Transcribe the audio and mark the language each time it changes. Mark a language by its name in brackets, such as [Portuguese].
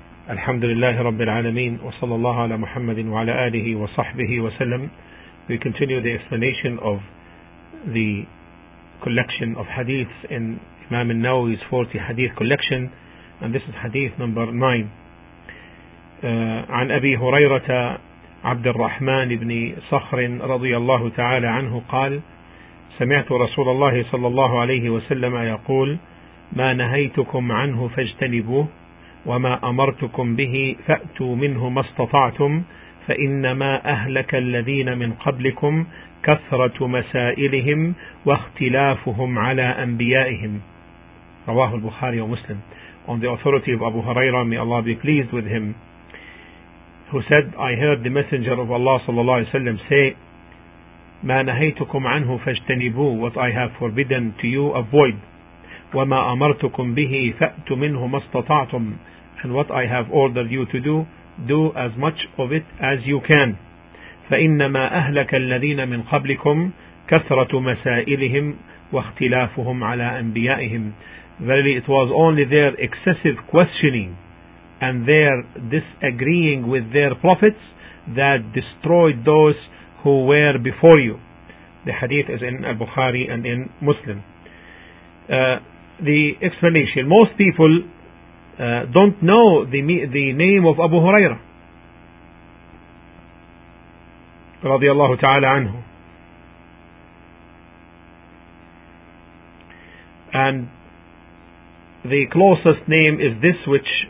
[Arabic] الحمد لله رب العالمين، وصلى الله على محمد وعلى آله وصحبه وسلم. [English] We continue the explanation of the collection of hadiths in Imam al-Nawawi's 40 hadith collection, and this is hadith number 9. [Arabic] عن أبي هريرة عبد الرحمن بن صخر رضي الله تعالى عنه قال: سمعت رسول الله صلى الله عليه وسلم يقول: ما نهيتكم عنه فاجتنبوه، وما أمرتكم به فأتوا منه ما استطعتم، فإنما أهلك الذين من قبلكم كثرة مسائلهم واختلافهم على أنبيائهم. رواه البخاري ومسلم. [English] On the authority of Abu Huraira, may Allah be pleased with him, who said, I heard the Messenger of Allah [Arabic] صلى الله عليه وسلم [English] say, [Arabic] ما نهيتكم عنه فاجتنبوه, [English] what I have forbidden to you, avoid. [Arabic] وما أمرتكم به فأتوا منه ما استطعتم, [English] and what I have ordered you to do, do as much of it as you can. [Arabic] فإنما أهلك الذين من قبلكم كثرة مسائلهم واختلافهم على أنبيائهم. [English] Verily it was only their excessive questioning and their disagreeing with their prophets that destroyed those who were before you. The hadith is in Al-Bukhari and in Muslim. The explanation: most people don't know the name of Abu Huraira radiyallahu ta'ala anhu, and the closest name is this which